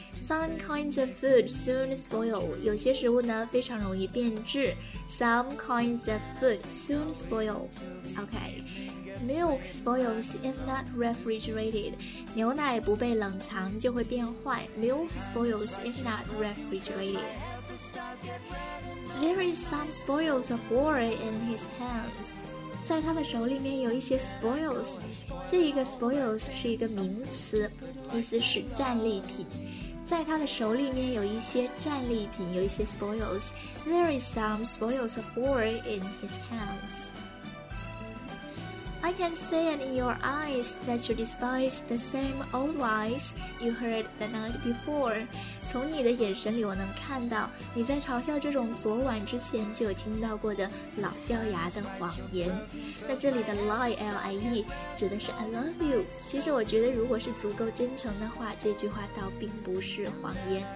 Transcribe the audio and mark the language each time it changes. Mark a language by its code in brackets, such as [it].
[en] Some kinds of food soon spoil， [zh] 有些食物呢非常容易变质。 [en] Some kinds of food soon spoil. OK. Milk spoils if not refrigerated. [zh] 牛奶不被冷藏就会变坏。 [en] Milk spoils if not refrigerated. There is some spoils of war in his hands. [zh] 在他的手里面有一些 spoils. 这一个 spoils 是一个名词，意思是战利品。在他的手里面有一些战利品，有一些 spoils。 [en] There is some spoils of war in his hands. I can see it in your eyes that you despise the same old lies you heard the night before. [zh] 从你的眼神里我能看到你在嘲笑这种昨晚之前就有听到过的老掉牙的谎言。那这里的 lie L-I-E 指的是 [en] I love you。 [zh] 其实我觉得如果是足够真诚的话，这句话倒并不是谎言。